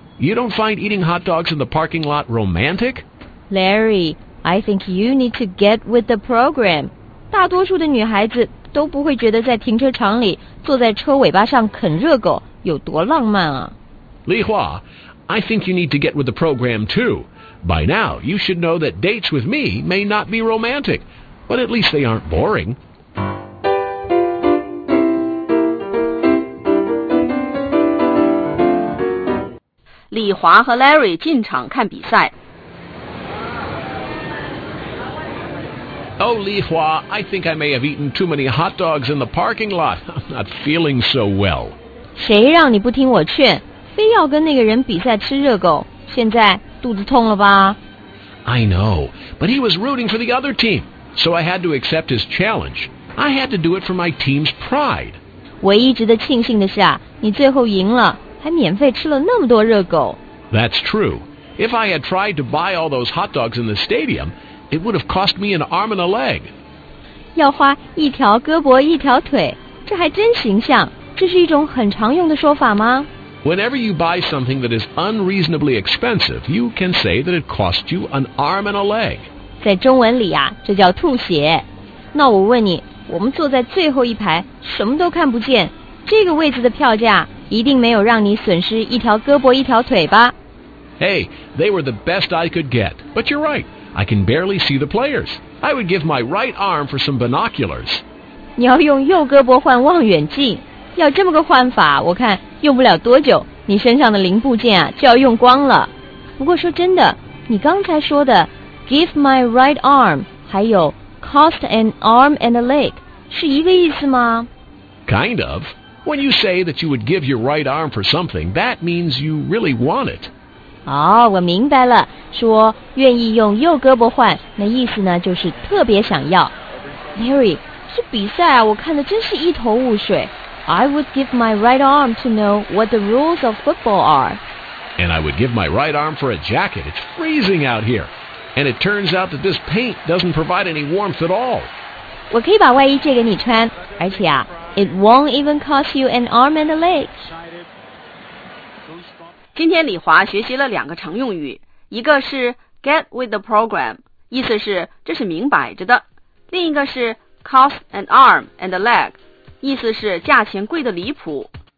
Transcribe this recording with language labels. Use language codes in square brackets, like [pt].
[en] You don't find eating hot dogs in the parking lot romantic? Larry, I think you need to get with the program. [zh] 大多数的女孩子都不会觉得在停车场里坐在车尾巴上啃热狗有多浪漫啊。 [en] Li Hua, I think you need to get with the program too. By now, you should know that dates with me may not be romantic, but at least they aren't boring. [zh] 李华和 Larry 进场看比赛。 [en] Oh, Li Hua, I think I may have eaten too many hot dogs in the parking lot. I'm not feeling so well. [zh] 谁让你不听我劝，非要跟那个人比赛吃热狗，现在肚子痛了吧？ [en] I know, but he was rooting for the other team, so I had to accept his challenge. I had to do it for my team's pride. [zh] 唯一值得庆幸的是啊，你最后赢了。还免费吃了那么多热狗。 [en] That's true. If I had tried to buy all those hot dogs in the stadium, it would have cost me an arm and a leg. [zh] 要花一条胳膊一条腿，这还真形象。这是一种很常用的说法吗？ [en] Whenever you buy something that is unreasonably expensive, you can say that it cost you an arm and a leg. [zh] 在中文里啊，这叫吐血。那我问你，我们坐在最后一排，什么都看不见，这个位置的票价一定没有让你损失一条胳膊一条腿吧。 [en] Hey, they were the best I could get. But you're right, I can barely see the players. I would give my right arm for some binoculars. [zh] 你要用右胳膊换望远镜，要这么个换法，我看用不了多久，你身上的零部件啊就要用光了。不过说真的，你刚才说的 [en] give my right arm [zh] 还有 [en] cost an arm and a leg [zh] 是一个意思吗？ [en] Kind of. When you say that you would give your right arm for something, that means you really want it. [zh] 哦，我明白了，说愿意用右胳膊换，那意思呢就是特别想要。 Larry, 这比赛啊，我看得真是一头雾水。 [en] I would give my right arm to know what the rules of football are. And I would give my right arm for a jacket. It's freezing out here. And it turns out that this paint doesn't provide any warmth at all. [zh] 我可以把外衣借给你穿，而且啊 [en] It won't even cost you an arm and a leg. [zh] 今天李华学习了两个常用语，一个是 [en] get with the program， [zh] 意思是这是明摆着的；另一个是 [en] cost an arm and a leg， [zh] 意思是价钱贵得离谱。